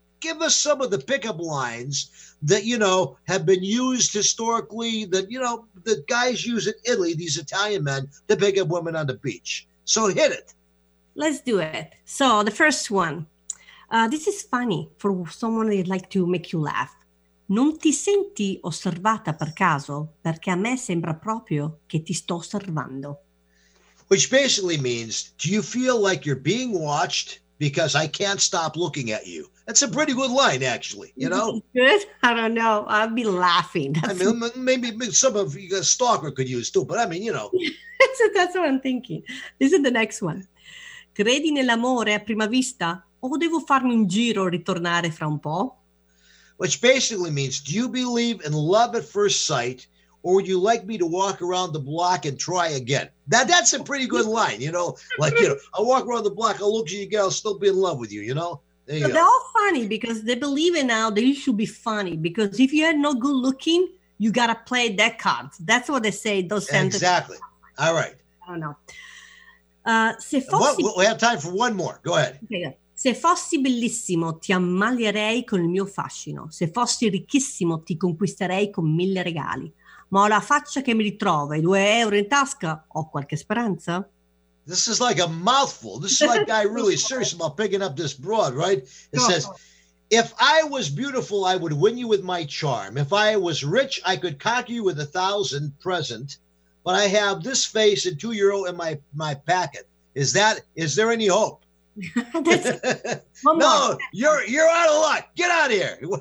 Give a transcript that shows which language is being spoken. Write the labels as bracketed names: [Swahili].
[English] give us some of the pickup lines that, you know, have been used historically, that, you know, the guys use in Italy, these Italian men, to pick up women on the beach. So hit it. Let's do it. So the first one, this is funny for someone that'd like to make you laugh. [Italian] Non ti senti osservata per caso? Perché a me sembra proprio che ti sto osservando. [English] Which basically means, do you feel like you're being watched because I can't stop looking at you? That's a pretty good line, actually, you know? Good? I don't know. I'd be laughing. Maybe some of you, a stalker, could use too, but I mean, you know. So that's what I'm thinking. This is the next one. [Italian] Credi nell'amore a prima vista o devo farmi un giro e ritornare fra un po'? [English] Which basically means, do you believe in love at first sight, or would you like me to walk around the block and try again? That's a pretty good line, you know? Like, you know, I'll walk around the block, I'll look at you again, I'll still be in love with you, you know? There you go. They're all funny because they believe it now that you should be funny, because if you are no good looking, you got to play that card. That's what they say, those sentences. Exactly. All right. I don't know. [Italian] Se fossi... [English] we have time for one more. Go ahead. Okay, yeah. [Italian] Se fossi bellissimo, ti ammalierei con il mio fascino. Se fossi ricchissimo, ti conquisterei con mille regali. Ma la faccia che mi ritrova, €2 in tasca, ho qualche speranza? [English] This is like a mouthful. This is like guy really serious about picking up this broad, right? It says, if I was beautiful, I would win you with my charm. If I was rich, I could conquer you with $1,000 present. But I have this face and €2 in my pocket. Is there any hope? No, you're out of luck. Get out of here.